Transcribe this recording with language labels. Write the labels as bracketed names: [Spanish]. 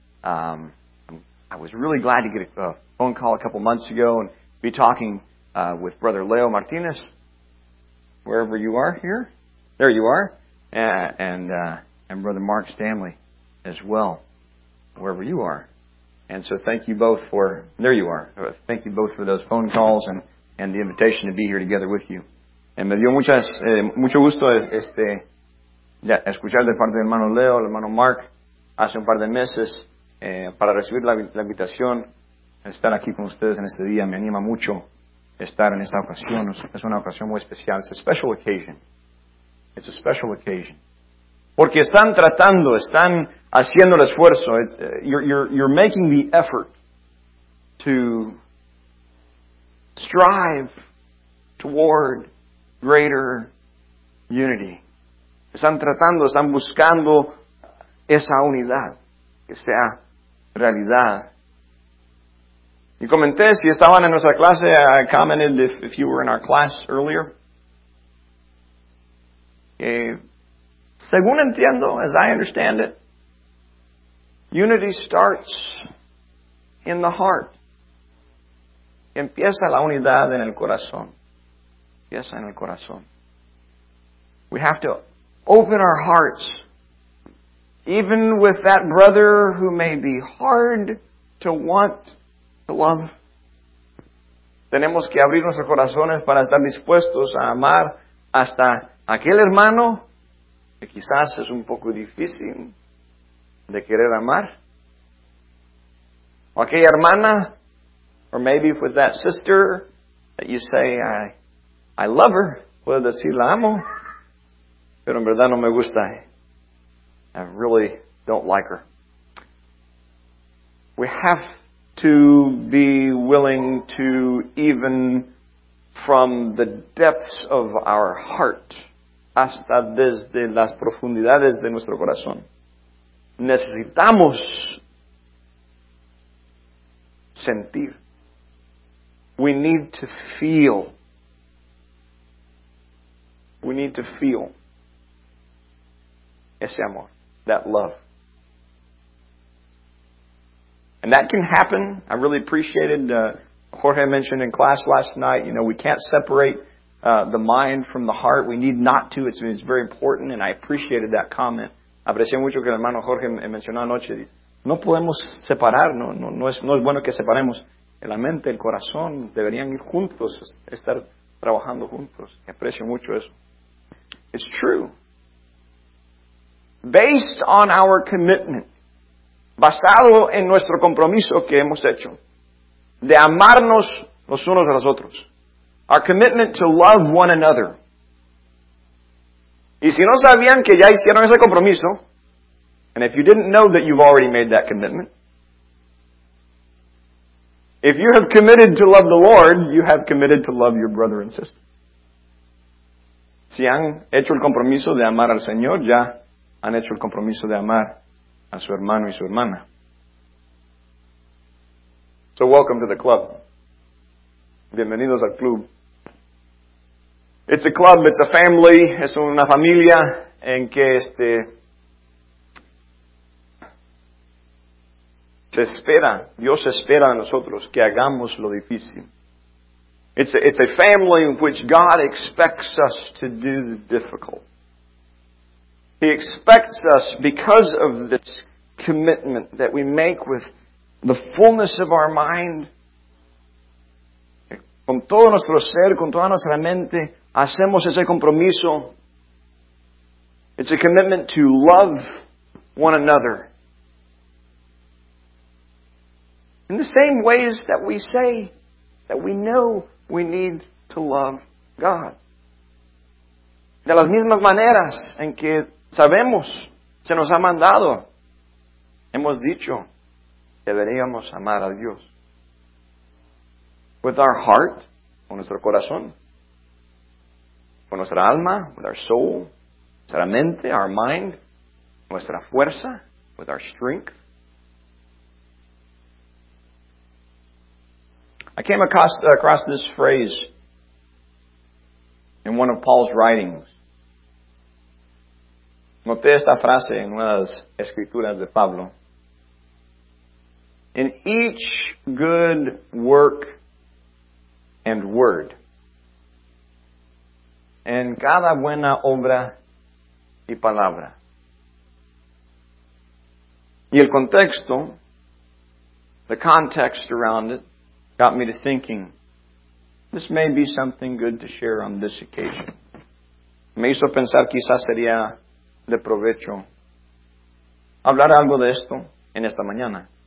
[English] I was really glad to get a phone call a couple months ago and be talking with Brother Leo Martinez, wherever you are here. There you are. And Brother Mark Stanley as well, wherever you are. And so thank you both for, there you are. Thank you both for those phone calls and the invitation to be here together with you. [Spanish] And me dio mucho gusto escuchar de parte del hermano Leo, el hermano Mark, hace un par de meses, para recibir la invitación, estar aquí con ustedes en este día. Me anima mucho estar en esta ocasión. Es una ocasión muy especial. [English] It's a special occasion. It's a special occasion. [Spanish] Porque están tratando, están haciendo el esfuerzo. [English] You're making the effort to strive toward greater unity. [Spanish] Están tratando, están buscando esa unidad que sea realidad. Y comenté, si estaban en nuestra clase, [English] I commented if you were in our class earlier. [Spanish] Según entiendo, [English] as I understand it, unity starts in the heart. [Spanish] Empieza la unidad en el corazón. Empieza en el corazón. [English] We have to open our hearts, even with that brother who may be hard to want to love. [Spanish] Tenemos que abrir nuestros corazones para estar dispuestos a amar hasta aquel hermano que quizás es un poco difícil de querer amar. O aquella hermana, [English] or maybe with that sister that you say, I love her. [Spanish] Puedo decir la amo. Pero en verdad no me gusta. [English] I really don't like her. We have to be willing to, even from the depths of our heart, [Spanish] hasta desde las profundidades de nuestro corazón, necesitamos sentir. [English] We need to feel. We need to feel. [Spanish] Ese amor, [English] that love. And that can happen. I really appreciated Jorge mentioned in class last night, you know, we can't separate the mind from the heart. We need not to. It's very important, and I appreciated that comment. [Spanish] Aprecié mucho que el hermano Jorge mencionó anoche. No podemos separar, no es bueno que separemos la mente, el corazón. Deberían ir juntos, estar trabajando juntos. Aprecio mucho eso. [English] It's true. Based on our commitment, [Spanish] basado en nuestro compromiso que hemos hecho, de amarnos los unos a los otros, [English] our commitment to love one another. [Spanish] Y si no sabían que ya hicieron ese compromiso, [English] and if you didn't know that you've already made that commitment, if you have committed to love the Lord, you have committed to love your brother and sister. [Spanish] Si han hecho el compromiso de amar al Señor, ya han hecho el compromiso de amar a su hermano y su hermana. [English] So welcome to the club. [Spanish] Bienvenidos al club. [English] It's a club, it's a family, [Spanish] es una familia en que se espera, Dios espera a nosotros que hagamos lo difícil. [English] It's a family in which God expects us to do the difficult. He expects us, because of this commitment that we make with the fullness of our mind, con [Spanish] todo nuestro ser, con toda nuestra mente, hacemos ese compromiso. [English] It's a commitment to love one another. In the same ways that we say that we know we need to love God. [Spanish] De las mismas maneras en que sabemos, se nos ha mandado, hemos dicho, deberíamos amar a Dios. [English] With our heart, [Spanish] con nuestro corazón, con nuestra alma, [English] with our soul, [Spanish] nuestra mente, [English] our mind, [Spanish] nuestra fuerza, [English] with our strength. I came across this phrase in one of Paul's writings. [Spanish] Noté esta frase en una de las escrituras de Pablo. [English] In each good work and word. [Spanish] En cada buena obra y palabra. Y el contexto, [English] the context around it, got me to thinking, this may be something good to share on this occasion. [Spanish] Me hizo pensar quizás sería de provecho hablar algo de esto en esta mañana.